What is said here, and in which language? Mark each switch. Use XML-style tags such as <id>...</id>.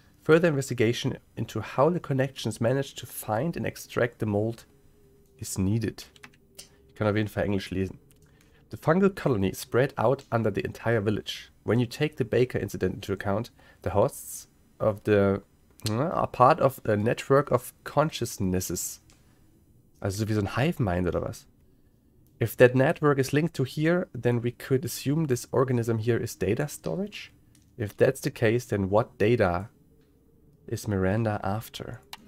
<en>Further investigation into how the connections managed to find and extract the mold is needed.</en> <de>Ich kann auf jeden Fall Englisch lesen.</de> <en>The fungal colony spread out under the entire village. When you take the Baker incident into account, the hosts of the are part of a network of consciousnesses.</en> <de>Also so wie so ein Hive Mind oder was?</de> <en>If that network is linked to here, then we could assume this organism here is data storage. If that's the case, then what data is Miranda after?</en>